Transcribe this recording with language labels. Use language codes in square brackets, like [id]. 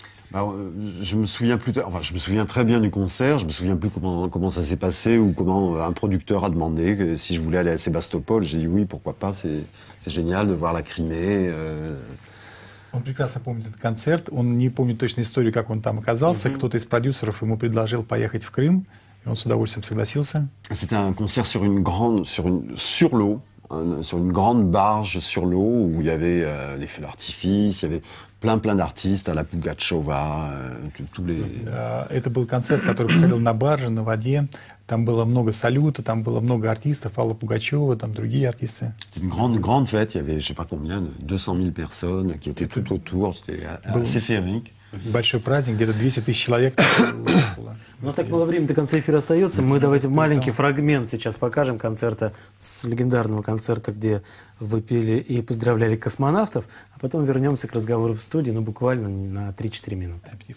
[fr] Alors, je me souviens plutôt, enfin, je me souviens très bien du concert, je me souviens plus comment ça s'est passé ou comment un producteur a demandé que, si je voulais aller à Sébastopol. J'ai dit oui, pourquoi pas, c'est génial de voir la Crimée. [ru] Он прекрасно помнит этот концерт, он не помнит точно историю, как он там оказался. Кто-то из продюсеров ему предложил поехать в Крым, и он с удовольствием согласился. [fr] C'était un concert sur une grande, sur l'eau, sur une grande barge sur l'eau où il y avait les feux d'artifice, il y avait plein d'artistes à la Pugachova, tous les... [ru] Это был концерт, который проходил на барже, на воде. Там было много салюта, там было много артистов, Алла Пугачева, там другие артисты. [fr] C'était une grande, grande fête. Il y avait, je sais pas combien, 200 000 personnes qui étaient tout autour. C'était assez féerique. [ru] Большой праздник, где-то 200 тысяч человек. У нас так мало времени до конца эфира остается. Мы давайте маленький фрагмент сейчас покажем концерта, с легендарного концерта, где вы пели и поздравляли космонавтов, а потом вернемся к разговору в студии, ну буквально на 3-4 минуты.